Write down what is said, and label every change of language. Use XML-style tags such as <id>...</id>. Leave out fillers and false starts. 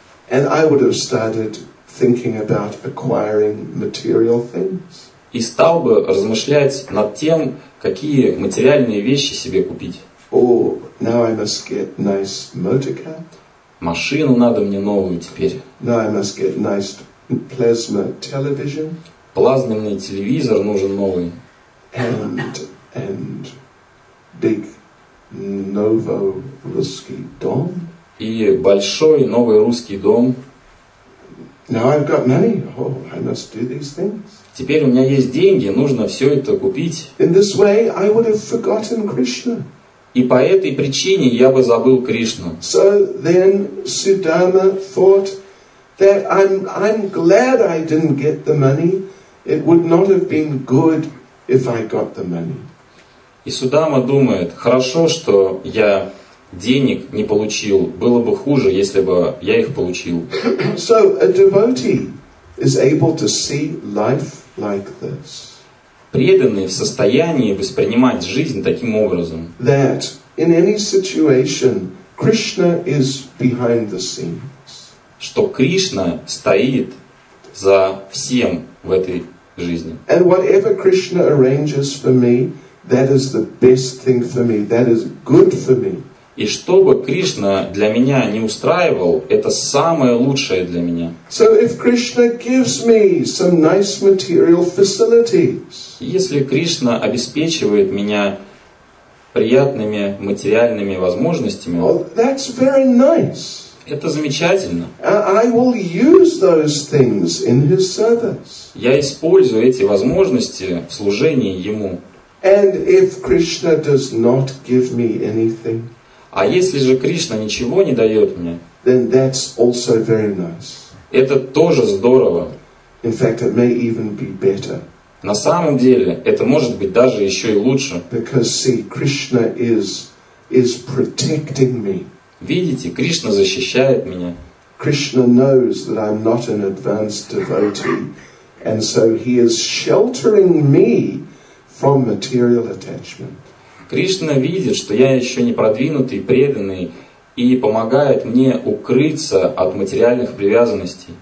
<en>And I would have started thinking about acquiring material things.</en> <ru>И стал бы размышлять над тем, какие материальные вещи себе купить.</ru> <en>Oh, now I must get nice motor car.</en> <ru>Машину надо мне новую теперь.</ru> <en>Now I must get nice plasma television.</en> <ru>Плазменный телевизор нужен новый.</ru> <en>And big</en> <ru>novo Ruskiy dom. И большой новый русский дом.</ru> <en>Now I've got money. Oh, I must do these things.</en> <ru>Теперь у меня есть деньги, нужно все это купить.</ru> <en>In this way, I would have forgotten Krishna.</en> <ru>И по этой причине я бы забыл Кришну.</ru> <en>So then Sudama thought that I'm glad I didn't get the money. It would not have been good. If I got the money.</en> <ru>И Судама думает, хорошо, что я денег не получил. Было бы хуже, если бы я их получил.</ru> <en>So a devotee is able to see life like this.</en> <ru>Преданный в состоянии воспринимать жизнь таким образом.</ru> <en>That in any situation Krishna is behind the scenes.</en> <ru>Что Кришна стоит за всем в этой жизни.</ru> <en>And whatever Krishna arranges for me, that is the best thing for me. That is good for me.</en> <ru>И что бы Кришна для меня не устраивал, это самое лучшее для меня.</ru> <en>So if Krishna gives me some nice material facilities.</en> <ru>Если Кришна обеспечивает меня приятными материальными возможностями.</ru> <en>Well, that's very nice.</en> <ru>Это замечательно.</ru> <en>I will use those things in his service.</en> <ru>Я использую эти возможности в служении ему.</ru> <en>And if Krishna does not give me anything,</en> <ru>а если же Кришна ничего не дает мне,</ru> <en>then that's also very nice.</en> <ru>Это тоже здорово.</ru> <en>In fact, it may even be better.</en> <ru>На самом деле, это может быть даже еще и лучше.</ru> <en>Because, see, Krishna is protecting me.</en> <ru>Видите, Кришна защищает меня.</ru> <en>Krishna knows that I'm not an advanced devotee, and so he is sheltering me from material attachment.</en> <ru>Кришна видит, что я еще не продвинутый, преданный, и помогает мне укрыться от материальных привязанностей.</ru>